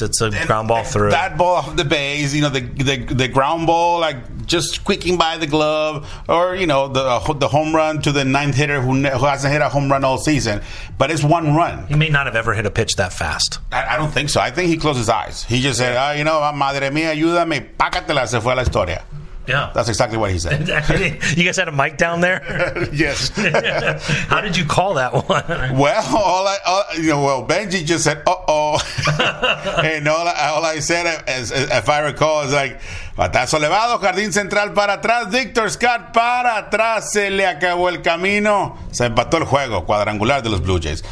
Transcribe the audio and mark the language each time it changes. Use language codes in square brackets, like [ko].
[en] It's a ground ball through. That ball off the base. You know, the ground ball, like, just squeaking by the glove. Or, you know, the home run to the ninth hitter who hasn't hit a home run all season. But it's one run. He may not have ever hit a pitch that fast. I don't think so. I think he closed his eyes. He just said, oh, you know, [es] madre mía, ayúdame, pácatela, se fue la historia. [en] Yeah. That's exactly what he said. You guys had a mic down there? Yes. How did you call that one? Well, Benji just said, uh-oh. And all I said, as if I recall, is like, [es] batazo elevado, jardín central para atrás, Victor Scott para atrás, se le acabó el camino, se empató el juego, cuadrangular de los Blue Jays.